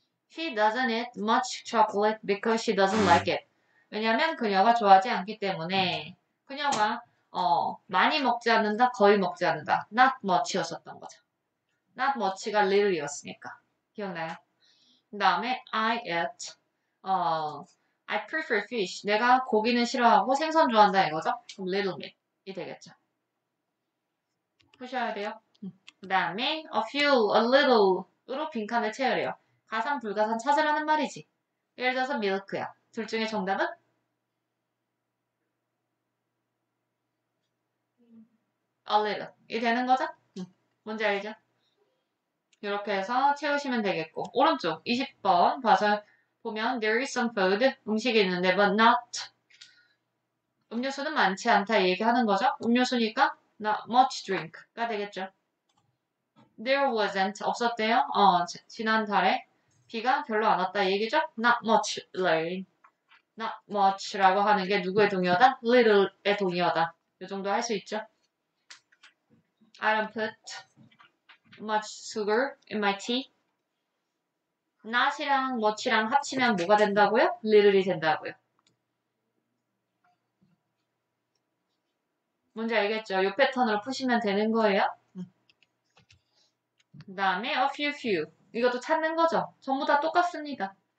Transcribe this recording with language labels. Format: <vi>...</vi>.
<en>She doesn't eat much chocolate because she doesn't like it.</en> <ko>왜냐면 그녀가 좋아하지 않기 때문에 그녀가 많이 먹지 않는다, 거의 먹지 않는다. Not much였었던 거죠. Not much가 little이었으니까. 기억나요? 그 다음에</ko> <en>I eat. I prefer fish.</en> <ko>내가 고기는 싫어하고 생선 좋아한다 이거죠? Little meat이 되겠죠. 보셔야 돼요. 그 다음에 a few, a little으로 빈칸을 채우래요. 가산, 불가산 찾으라는 말이지. 예를 들어서 milk야. 둘 중에 정답은? 아 little. 이 되는 거죠? 뭔지 알죠? 이렇게 해서 채우시면 되겠고. 오른쪽 20번 봐서 보면</ko> <en>there is some food.</en> <ko>음식이 있는데 but not. 음료수는 많지 않다 얘기하는 거죠? 음료수니까 not much drink가 되겠죠?</ko> <en>There wasn't.</en> <ko>없었대요. 지난달에 비가 별로 안 왔다 얘기죠?</ko> <en>Not much rain.</en> <ko>Not much라고 하는 게 누구의 동의어다? Little의 동의어다. 이 정도 할수 있죠?</ko> <en>I don't put much sugar in my tea.</en> <ko>Not이랑 much랑 합치면 뭐가 된다고요? Little이 된다고요. 뭔지 알겠죠? 요 패턴으로 푸시면 되는 거예요. 그 다음에 a few few 이것도 찾는 거죠. 전부 다 똑같습니다.</ko>